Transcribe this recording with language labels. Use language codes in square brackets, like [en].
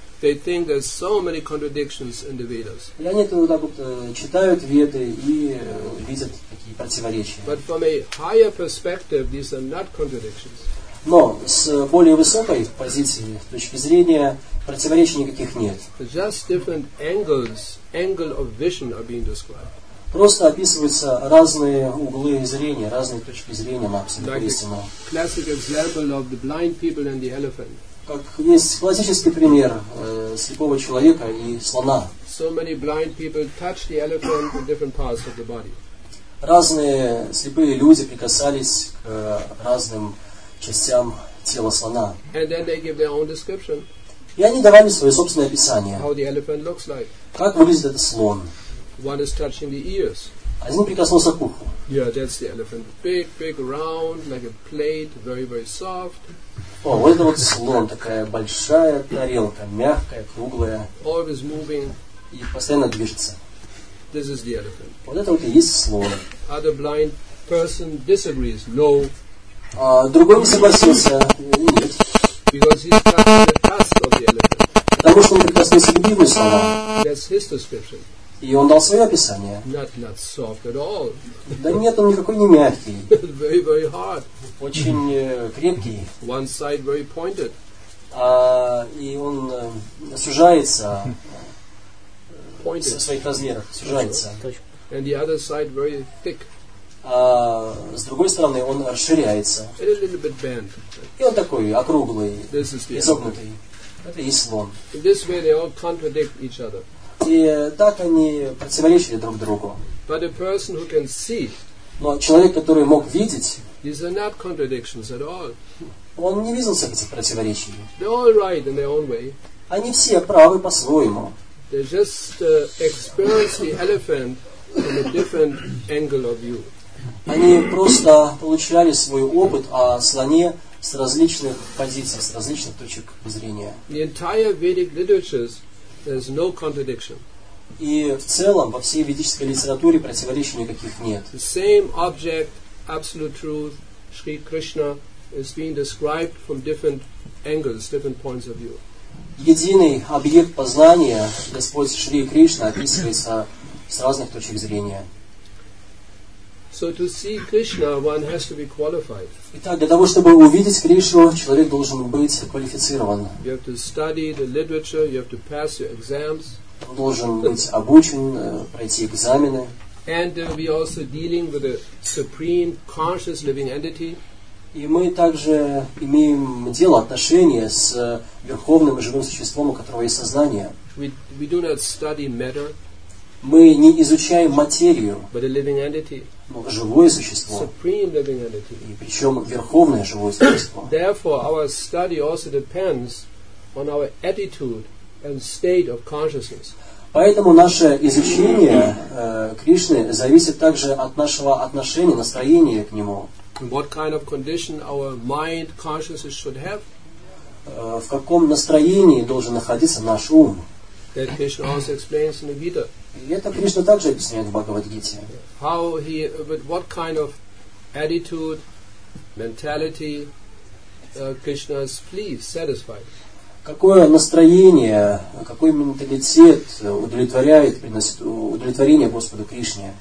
[en] They think there's so many contradictions in the Vedas. [ru] И они вот так вот читают Веды и видят такие противоречия. [en] But from a higher perspective, these are not contradictions. [ru] Но с более высокой позиции, с точки зрения, противоречий никаких нет. [en] Just different angles, angle of vision are being described. [ru] Просто описываются разные углы зрения, разные точки зрения на абсолютную истину. [en] Classic example of the blind people and the elephant. [ru] Как есть классический пример слепого человека и слона. [en] So many blind people touch the elephant in different parts of the body. [ru] Разные слепые люди прикасались к разным частям тела слона. [en] And then they give their own description. [ru] И они давали свое собственное описание. [en] How the elephant looks like. [ru] Как выглядит этот слон? [en] One is touching the ears. [ru] Один прикоснулся к уху. [en] Yeah, that's the elephant. Big, big, round, like a plate, very, very soft. [ru] О, вот это вот слон, такая большая тарелка, мягкая, круглая. [en] Always moving. [ru] И постоянно движется. [en] This is the elephant. [ru] Вот это вот и есть слон. [en] Other blind person disagrees. No. [ru] А другой не согласился. Нет. [en] Because he's touching the tusk of the elephant. [ru] Потому что он прикоснулся к другому слону. [en] That's his description. [ru] И он дал свое описание. [en] Not soft at all. [ru] Да нет, он никакой не мягкий. [en] Very, very hard. [ru] Очень крепкий. [en] One side very pointed. [ru] И он сужается. [en] Pointed. [ru] В своих размерах сужается. [en] And the other side very thick. [ru] А с другой стороны он расширяется. [en] And a little bit bent. [ru] И он такой округлый, изогнутый. Это и слон. [en] In this way they all contradict each other. [ru] И так они противоречили друг другу. [en] But a person who can see, [ru] но человек, который мог видеть, [en] these are not contradictions at all. [ru] Он не видел всех этих противоречий. [en] They're all right in their own way. [ru] Они все правы по-своему. [en] They just experience the elephant from a different angle of view. [ru] Они просто получали свой опыт о слоне с различных позиций, с различных точек зрения. [en] The entire Vedic literatures. There's no contradiction. [ru] И в целом во всей ведической литературе противоречий никаких нет. [en] The same object, absolute truth, Shri Krishna, is being described from different angles, different points of view. [ru] Единый объект познания, Господь Шри Кришна, описывается с разных точек зрения. [en] So to see Krishna, one has to be qualified. [ru] Итак, для того чтобы увидеть Кришну, человек должен быть квалифицирован. [en] You have to study the literature, you have to pass your exams. [ru] Он должен быть обучен, пройти экзамены. [en] And we also dealing with a supreme conscious living entity. [ru] И мы также имеем дело, отношение с верховным и живым существом, у которого есть сознание. [en] We do not study matter. [ru] Мы не изучаем материю, [en] but a living entity. [ru] Но живое существо. [en] Supreme living entity. [ru] И причем верховное живое существо. [en] Therefore, our study also depends on our attitude and state of consciousness. [ru] Поэтому наше изучение Кришны зависит также от нашего отношения, настроения к Нему. [en] What kind of condition our mind consciousness should have? [ru] В каком настроении должен находиться наш ум? [en] That Krishna also explains in the Gita. [ru] И это Кришна также объясняет в Бхагавад-гите. [en] How he, with what kind of attitude, mentality, Krishna is pleased, satisfied? [ru] Какое настроение, какой менталитет удовлетворяет, приносит удовлетворение Господу Кришне?